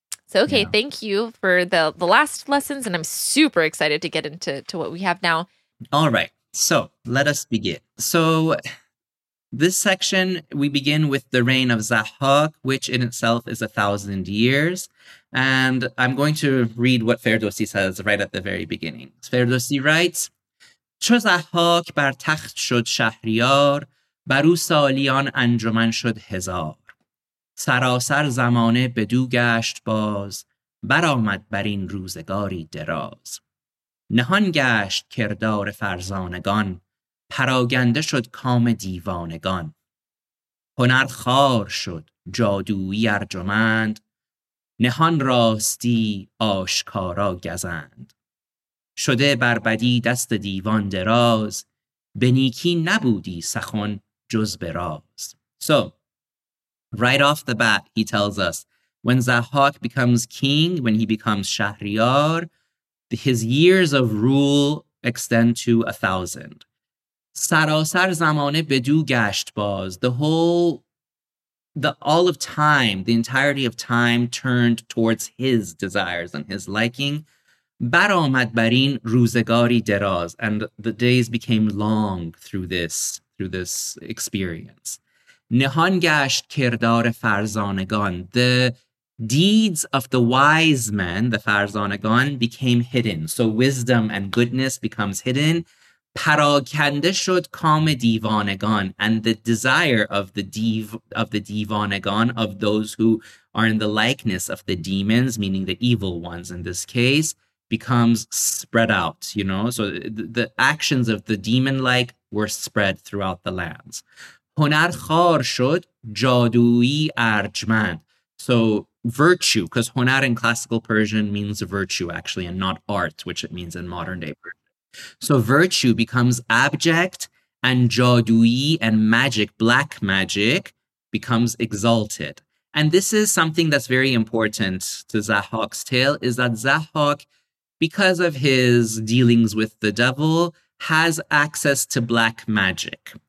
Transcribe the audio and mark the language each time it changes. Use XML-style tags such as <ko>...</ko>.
<en>So, okay, thank you for the last lessons, and I'm super excited to get into what we have now. All right, so let us begin. So this section, we begin with the reign of Zahak, which in itself is 1,000 years. And I'm going to read what Ferdowsi says right at the very beginning. Ferdowsi writes,</en> <fa>چو زحاک بر تخت شد شهریار بر او سالیان انجمن شد هزار سراسر زمانه بدو گشت باز برآمد بر این روزگاری دراز نهان گشت کردار فرزانگان پراگنده شد کام دیوانگان هنر خار شد جادویی ارجمند نهان راستی آشکارا گزند شده بر بدی دست دیوان دراز به نیکی نبودی سخن جز براز.</fa> <en>So right off the bat he tells us when Zahak becomes king, when he becomes Shahriyar, his years of rule extend to 1,000.</en> <fa>سراسر زمانه بدو گشت باز,</fa> <en>the all of time, the entirety of time turned towards his desires and his liking.</en> <fa>برآمد بر این روزگاری دراز,</fa> <en>and the days became long through this experience.</en> <fa>نهان گشت کردار فرزانگان,</fa> <en>the deeds of the wise men, the فرزانگان, became hidden. So wisdom and goodness becomes hidden.</en> <fa>پراکنده شد کام دیوانگان</fa> <en>and the desire of the دیوانگان of those who are in the likeness of the demons, meaning the evil ones in this case, becomes spread out, you know? So the actions of the demon-like were spread throughout the lands.</en> <fa>هنر خار شد جادویی ارجمند.</fa> <en>So virtue, because هنر in classical Persian means virtue, actually, and not art, which it means in modern-day Persian. So virtue becomes abject, and jadui and magic, black magic, becomes exalted. And this is something that's very important to Zahawk's tale, is that Zahawk, because of his dealings with the devil, has access to black magic.</en>